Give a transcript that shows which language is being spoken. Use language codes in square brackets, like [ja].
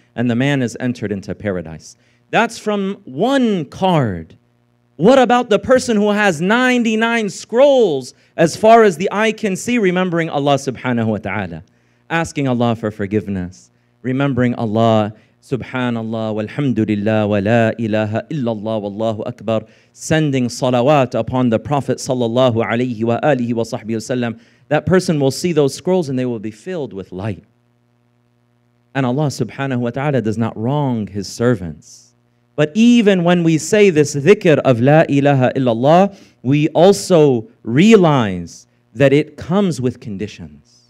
[en] And the man is entered into paradise. That's from one card. What about the person who has 99 scrolls as far as the eye can see, remembering Allah subhanahu wa ta'ala, asking Allah for forgiveness, remembering Allah [ar] سبحان الله والحمد لله ولا إله إلا الله والله أكبر. [en] Sending salawat upon the Prophet [ar] صلى الله عليه وآله وصحبه وسلم. [en] That person will see those scrolls and they will be filled with light. And Allah subhanahu wa ta'ala does not wrong His servants. But even when we say this dhikr of La ilaha illallah, we also realize that it comes with conditions.